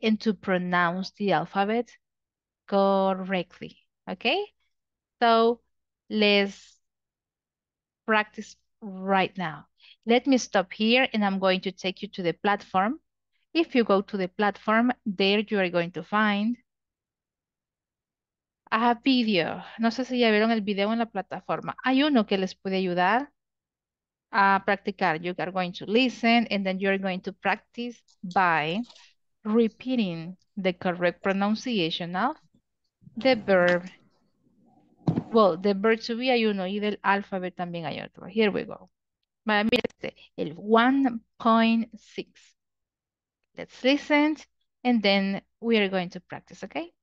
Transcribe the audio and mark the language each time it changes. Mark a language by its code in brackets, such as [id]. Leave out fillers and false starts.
[en] And to pronounce the alphabet correctly, okay? So let's practice right now. Let me stop here and I'm going to take you to the platform. If you go to the platform, there you are going to find a video. [es] No sé si ya vieron el video en la plataforma. Hay uno que les puede ayudar a practicar. [en] You are going to listen and then you are going to practice by repeating the correct pronunciation of the verb. [es] Well, the verb to be hay uno y del alfabeto también hay otro. [en] Here we go. [es] Mira este, el 1.6. [en] Let's listen and then we are going to practice, okay?